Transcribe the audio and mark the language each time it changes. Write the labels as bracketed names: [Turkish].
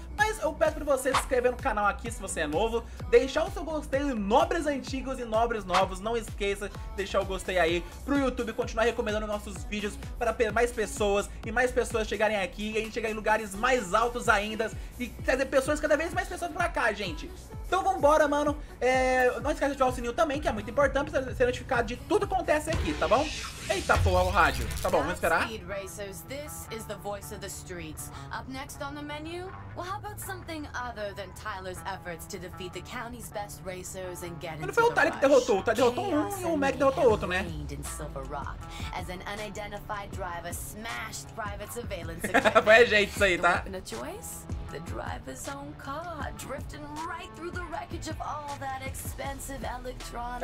[Portuguese] Mas eu peço pra você se inscrever no canal aqui se você é novo, deixar o seu gostei, nobres antigos e nobres novos, não esqueça de deixar o gostei aí pro YouTube continuar recomendando nossos vídeos para mais pessoas e mais pessoas chegarem aqui e a gente chegar em lugares mais altos ainda e trazer pessoas, cada vez mais pessoas pra cá, gente. Então vambora, mano, não esquece de ativar o sininho também, que é muito importante pra ser notificado de tudo que acontece aqui, tá bom? Eita, pô, o rádio. Tá bom, vamos esperar. [English] Speed Racers, this is the voice of the streets. Up next on the menu, well, how about something other than Tyler's efforts to defeat the county's best racers and get into the rush? [Portuguese] Não foi o Tyler que derrotou, tá? Derrotou um e o Mac derrotou outro, né? [English] Chaos in Silver Rock, as an unidentified driver smashed private surveillance equipment. [Portuguese] Foi a gente isso aí, tá? [English] The choice? The driver's own car, drifting right through the wreckage of all that expensive electronics.